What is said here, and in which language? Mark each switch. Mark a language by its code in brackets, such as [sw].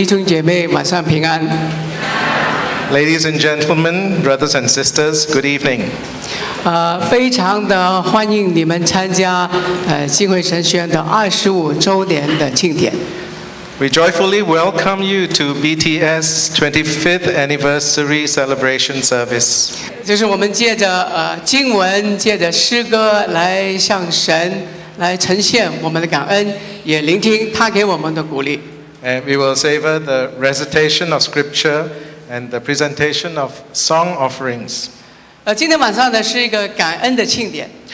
[en] Ladies and gentlemen, brothers and sisters, good evening. [zh] 非常的欢迎你们参加新会神学院的25周年的庆典。 [en] We joyfully welcome you to BTS 25th Anniversary Celebration Service. [zh] 就是我们借着经文，借着诗歌来向神来呈现我们的感恩，也聆听他给我们的鼓励。 [en] And we will savor the recitation of scripture and the presentation of song offerings. [zh] 今天晚上呢是一个感恩的庆典。